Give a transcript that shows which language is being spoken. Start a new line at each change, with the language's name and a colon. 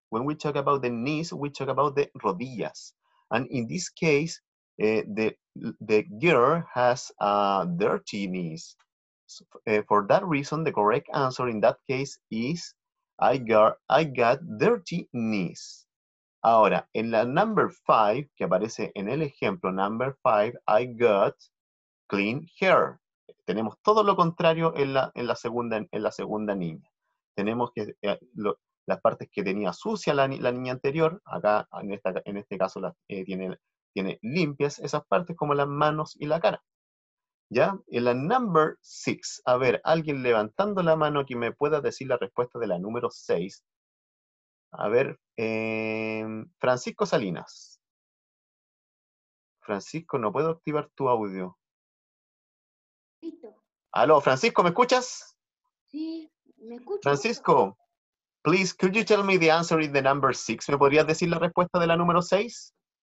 English: When we talk about the knees, we talk about the rodillas. And in this case, the girl has dirty knees. So, for that reason, the correct answer in that case is I got dirty knees.
Spanish: Ahora, en la number 5, que aparece en el ejemplo, number 5,
English: I got clean hair.
Spanish: Tenemos todo lo contrario en la segunda niña. Tenemos que las partes que tenía sucia la niña anterior, acá en este caso las tiene limpias esas partes, como las manos y la cara. ¿Ya? En la number 6, a ver, alguien levantando la mano que me pueda decir la respuesta de la número 6. A ver, Francisco Salinas. Francisco, no puedo activar tu audio. Aló, Francisco, ¿me escuchas? Sí, me escucho.
English: Francisco, please, could you tell me the answer in the number 6?
Spanish: ¿Me podrías decir la respuesta de la número 6?